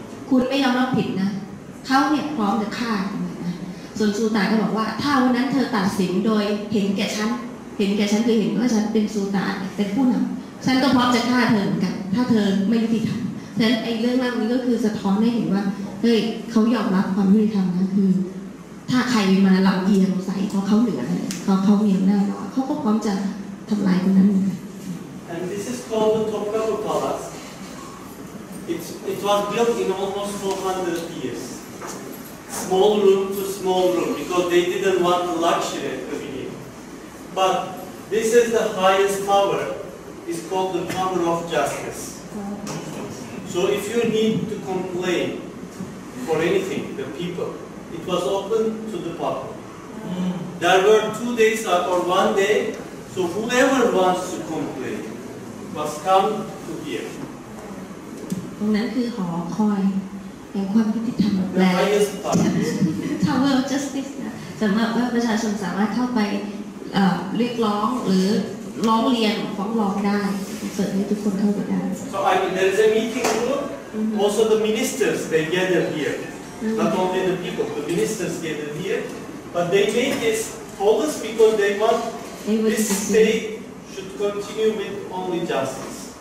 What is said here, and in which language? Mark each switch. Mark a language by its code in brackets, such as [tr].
[th] คุณไม่ยอมรับผิดนะเขาเนี่ยพร้อมจะฆ่าส่วนซูตานก็บอกว่าถ้าวันนั้นเธอตัดสินโดยเห็นแก่ฉันเห็นแก่ฉันคือเห็นว่าฉันเป็นซูตานเป็นผู้นำฉันก็พร้อมจะฆ่าเธอเหมือนกันถ้าเธอไม่ยุติธรรมฉะนั้นไอ้เรื่องเล่านี้ก็คือสะท้อนให้เห็นว่าเฮ้ยเขายอมรับความยุติธรรมนะคือถ้าใครมาลำเอียงใส่เพราะเขาเหนือเขามีอำนาจเขาก็พร้อมจะทำลายคนนั้นเหมือนกัน [en] and this is called the Topkapi Palace it was built in almost 400 years. Small room to small room because they didn't want the luxury at the beginning. But this is the highest tower. It's called the Tower of Justice. So if you need to complain for anything, the people, it was open to the public. There were 2 days or 1 day, so whoever wants to complain must come to here. [th] ตรงนั้นคือหอคอย อย่างความยุติธรรม และ ทาวเวอร์ออฟจัสติสสำหรับว่าประชาชนสามารถเข้าไปเรียกร้องหรือร้องเรียนฟ้องร้องได้เสนอให้ทุกคนเข้าไปได้ [en] so I mean there's a meeting group also the ministers they gather here not only the people the ministers gather here but they make this policy because they want this state should continue with only justice